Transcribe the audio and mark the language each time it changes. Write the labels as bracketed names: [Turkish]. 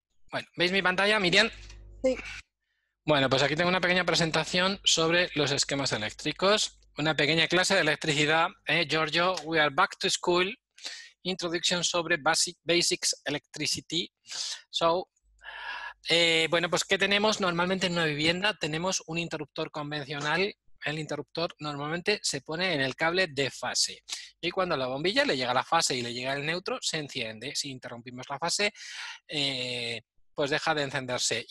[Spanish] Bueno, ¿veis mi pantalla, Miriam? Sí. Bueno, pues aquí tengo una pequeña presentación sobre los esquemas eléctricos. Una pequeña clase de electricidad. [English] Giorgio, we are back to school. Introduction sobre basics electricity. [Spanish] So, bueno, pues ¿qué tenemos normalmente en una vivienda? Tenemos un interruptor convencional. El interruptor normalmente se pone en el cable de fase. Y cuando a la bombilla le llega la fase y le llega el neutro, se enciende. Si interrumpimos la fase, pues deja de encenderse.